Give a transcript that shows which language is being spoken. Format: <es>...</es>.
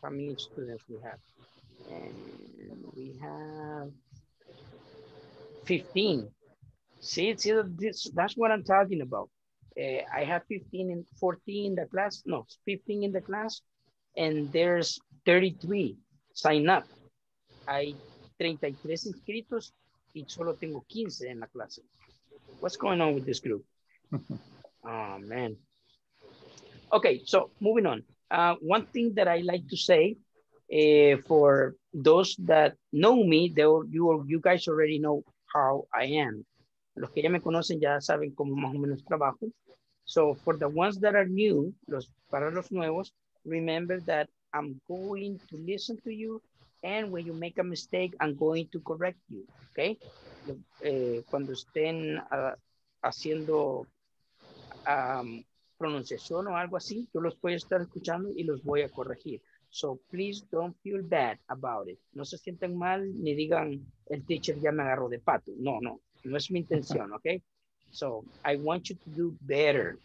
<en>How many students we have? And we have 15. See, that's what I'm talking about. I have 15 in the class, and there's 33 sign up.</en> <es>Hay 33 inscritos y solo tengo 15 en la clase.</es> <en>What's going on with this group? Oh, man. Okay, so moving on. One thing that I like to say for those that know me, you guys already know how I am.</en> <es>Los que ya me conocen ya saben cómo más o menos trabajo.</es> <en>So for the ones that are new,</en> <es>para los nuevos,</es> <en>remember that I'm going to listen to you, and when you make a mistake, I'm going to correct you, okay?</en> <es>Cuando estén haciendo pronunciación o algo así, yo los voy a estar escuchando y los voy a corregir.</es> <en>So please don't feel bad about it.</en> <es>No se sienten mal ni digan, el teacher ya me agarró de pato. No, no, no es mi intención,</es> <en>okay? So I want you to do better.</en>